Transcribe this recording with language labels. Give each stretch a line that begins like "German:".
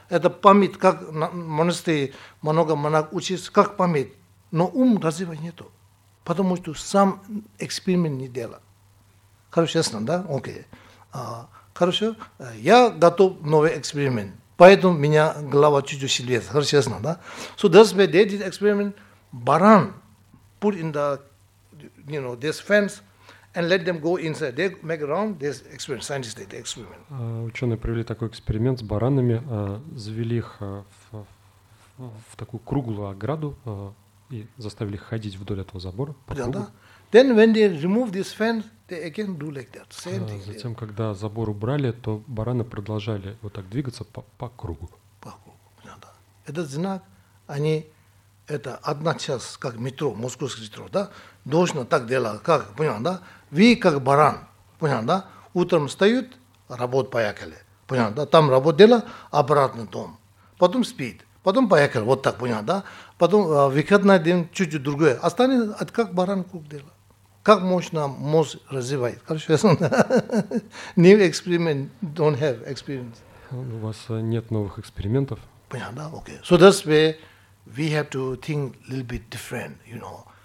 Russian: Это память, как монастырь, много монах учится, как память. Но ум развивать нету. Потому что сам эксперимент не делал. Хорошо, ясно, да? Окей. Хорошо. Я готов новый эксперимент. Поэтому меня голова чуть-чуть сильнее. Хорошо, ясно, да?
English: So that's why they did experiment. Баран put in the, you know, this fence. And let them go inside. They make around this experiment. Scientists did the experiment.
Russian: Ученые провели такой эксперимент с баранами, завели их в такую круглую ограду и заставили их ходить вдоль этого забора. Да.
English: Then when they remove this fence, they again do like that. Same thing.
Russian: Затем, когда забор убрали, то бараны продолжали вот так двигаться по кругу. По кругу. Да. Этот знак, они это одна часть, как метро, московское метро, да? Должно так делать, как, понял, да? Вы как баран, понял, да? Утром встают, работу поехали, понял, да? Там работу делали, обратно дом. Потом спит, потом поехали, вот так, понял, да? Потом выходной день чуть-чуть другое. Останется, как баран круг делать. Как мощно мозг развивает. Хорошо, я знаю.
English: New experiment, don't have experience.
Russian: У вас нет новых экспериментов. Понял, да? Окей.
English: Okay. So that's where we have to think a little bit different, you know.